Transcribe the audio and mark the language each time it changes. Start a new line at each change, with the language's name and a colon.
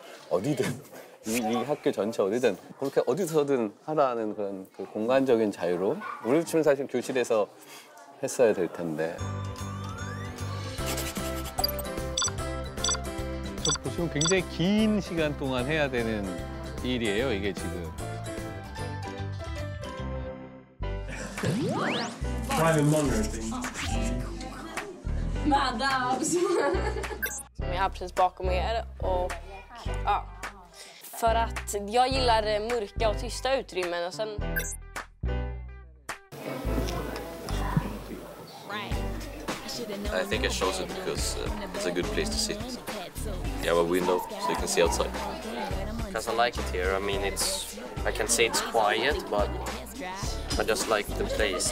Korean: 어디든, 이 학교 전체 어디든, 그렇게 어디서든 하라는 그런 그 공간적인 자유로. 우리 집은 사실 교실에서 했어야 될 텐데. 저 보시면 굉장히 긴 시간 동안 해야 되는 일이에요, 이게 지금.
Swedish: Jag precis bakom er och ja, för att jag gillar mörka och tysta utrymmen och sen.
English: I think I chose it because it's a good place to sit. You have a window so you can see outside. Because I like it here. I mean, I can say it's quiet, but I just like the place.